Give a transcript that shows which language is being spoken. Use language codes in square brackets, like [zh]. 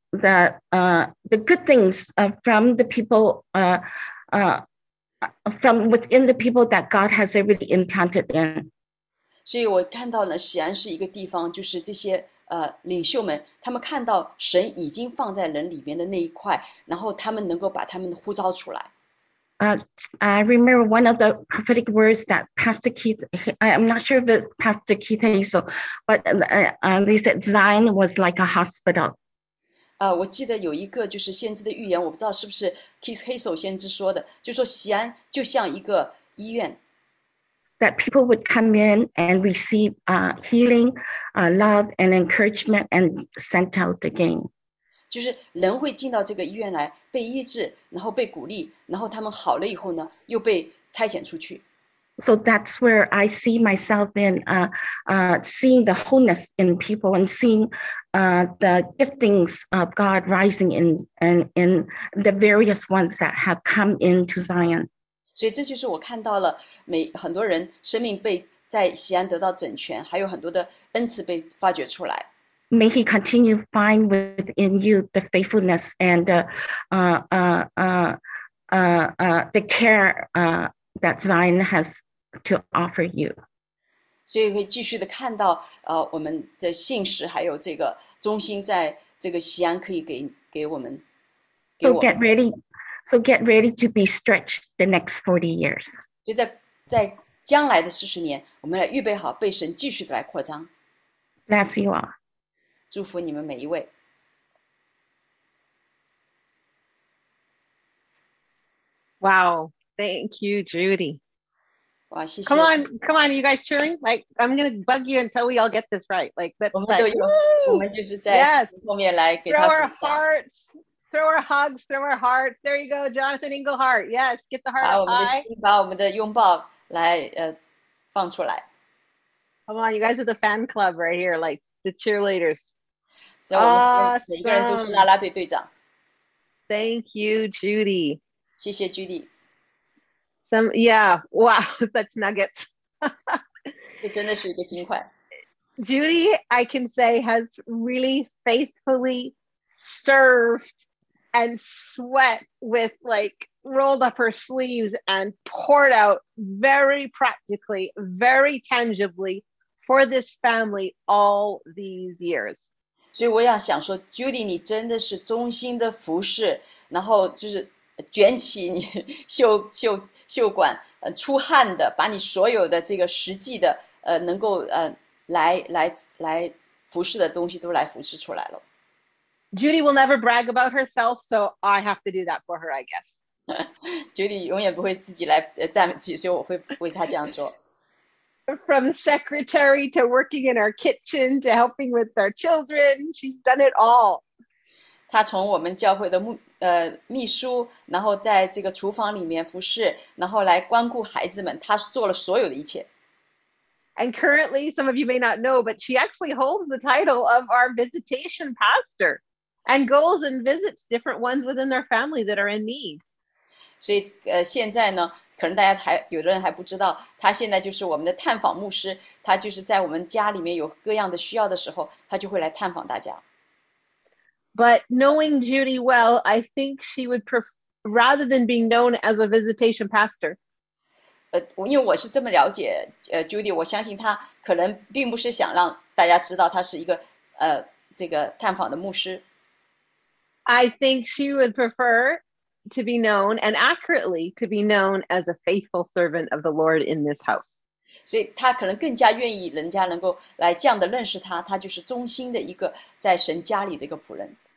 [en] The good things from the people from within the people that God has already implanted in. [zh] 所以我看到呢，锡安是一个地方，就是这些领袖们，他们看到神已经放在人里面的那一块，然后他们能够把他们呼召出来。 [en] I remember one of the prophetic words that Pastor Keith, I'm not sure if it's Pastor Keith Hazel, but they said Zion was like a hospital. [zh] 我记得有一个就是先知的预言，我不知道是不是 Keith Hazel 先知说的，就说锡安就像一个医院。 [en] That people would come in and receive healing, love and encouragement and sent out again. [zh] 就是人会进到这个医院来被医治，然后被鼓励，然后他们好了以后呢，又被差遣出去。 [en] So that's where I see myself in seeing the wholeness in people and seeing the giftings of God rising in the various ones that have come into Zion. [zh] 所以这就是我看到了每很多人生命被在锡安得到整全，还有很多的恩赐被发掘出来。 [en] May he continue to find within you the faithfulness and the care that Zion has to offer you. [zh] 所以可以继续的看到我们的信实还有这个忠心在这个锡安可以给我们。 [en] So get ready. So get ready to be stretched the next 40 years. [zh] 就在将来的40年，我们来预备好被神继续的来扩张。 [en] Bless you all. [zh] 祝福你们每一位。 [en] Wow, thank you, Judy. [zh] 哇，谢谢。 [en] Come on, come on, are you guys cheering? Like, I'm going to bug you until we all get this right. Like, that's [zh] 我们就是在后面来给他。 [en] Throw our hearts. Throw our hugs, throw our hearts. There you go, Jonathan Englehart. Yes, get the heart high. [zh] 把我们的拥抱来放出来。 [en] Come on, you guys are the fan club right here, like the cheerleaders. So, awesome. [zh] 每个人都是啦啦队队长。 [en] Thank you, Judy. [zh] 谢谢 Judy. [en] Some, yeah, wow, such nuggets. [zh] 这真的是一个金块。 [en] Judy, I can say, has really faithfully served. And sweat with like rolled up her sleeves and poured out very practically, very tangibly for this family all these years. [zh] 所以我要想说 ，Judy， 你真的是忠心的服侍，然后就是卷起你袖管，出汗的，把你所有的这个实际的能够来服侍的东西都来服侍出来了。 [en] Judy will never brag about herself, so I have to do that for her, I guess. [zh] Judy 永远不会自己来赞美自己，所以我会为她这样说。 [en] From secretary to working in our kitchen to helping with our children, she's done it all. [zh] 她从我们教会的秘书，然后在这个厨房里面服侍，然后来关顾孩子们，她做了所有的一切。 [en] And currently, some of you may not know, but she actually holds the title of our visitation pastor. And goes and visits different ones within their family that are in need. [zh] 所以现在呢，可能大家还有的人还不知道，他现在就是我们的探访牧师。他就是在我们家里面有各样的需要的时候，他就会来探访大家。 [en] But knowing Judy well, I think she would prefer rather than being known as a visitation pastor. [zh] 因为我是这么了解Judy， 我相信她可能并不是想让大家知道她是一个这个探访的牧师。 [en] I think she would prefer to be known and accurately to be known as a faithful servant of the Lord in this house. [zh] 所以她可能更加愿意人家能够来这样的认识她，她就是忠心的一个在神家里的一个仆人。